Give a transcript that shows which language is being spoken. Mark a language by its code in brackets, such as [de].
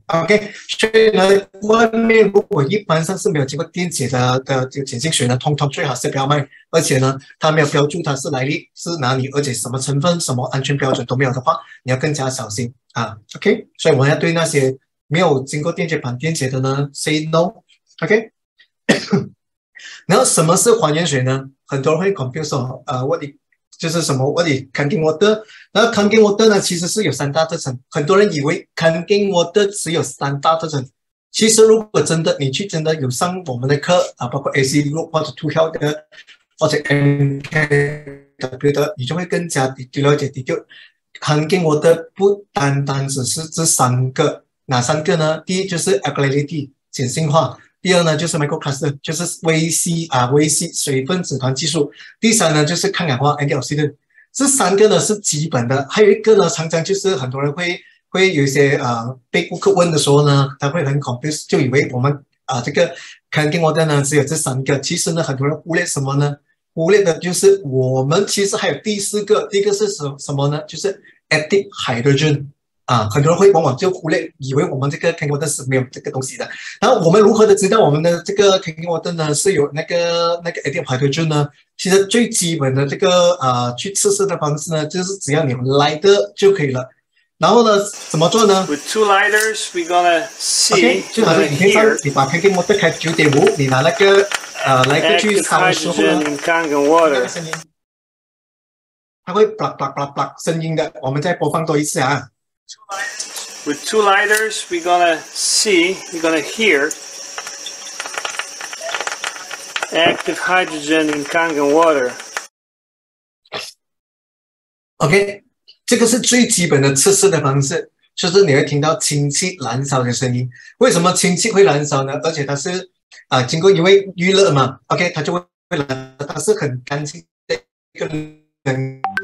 [zh] OK， 所以呢外面如果一般上是没有经过电解的这个碱性水呢，通通最好是不要卖，而且呢它没有标注它是来历是哪里，而且什么成分什么安全标准都没有的话，你要更加小心OK， 所以我们要对那些没有经过电解板电解的呢 [en] say no。 [zh] OK， 然后什么是还原水呢？很多人会 confuse 就是什么 [en] what is canking water。 [zh] 那 canking water 呢其实是有三大特征，很多人以为 canking water 只有三大特征，其实如果真的你去真的有上我们的课包括 AC Group 或者 To Health 的或者 MKW 的，你就会更加了解。就 canking water 不单单只是这三个，哪三个呢？第一就是 alkalinity 碱性化，第二呢就是 microcluster 就是微C 水分子团技术，第三呢就是抗氧化 antioxidant。这三个呢是基本的，还有一个呢常常就是很多人会有一些被顾客问的时候呢，他会很 confused， 就以为我们这个 canking water 呢只有这三个，其实呢很多人忽略什么呢？忽略的就是我们其实还有第四个，第一个是什么呢？就是 active hydrogen。很多人会往往就忽略，以为我们这个 canking water 是没有这个东西的。然后我们如何的知道我们的这个 canking water 呢是有那个 active hydrogen 呢？其实最基本的这个去测试的方式呢，就是只要你们 lighter 就可以了。然后呢，怎么做呢 [en] ？With two lighters, we're gonna see. [zh] OK， 就好像你可以上，你把 canking water 开 9.5， 你拿那个lighter 去烧的时候呢，看看 water 声音，它会 blak blak blak blak 声音的。我们再播放多一次啊。 [en] With two lighters, we're gonna see, we're gonna hear active hydrogen in Kangen water. [zh] OK， 这个是最基本的测试的方式，就是你会听到氢气燃烧的声音。为什么氢气会燃烧呢？而且它是经过因为预热嘛 ，OK， 它就会燃烧，它是很干净的一个能。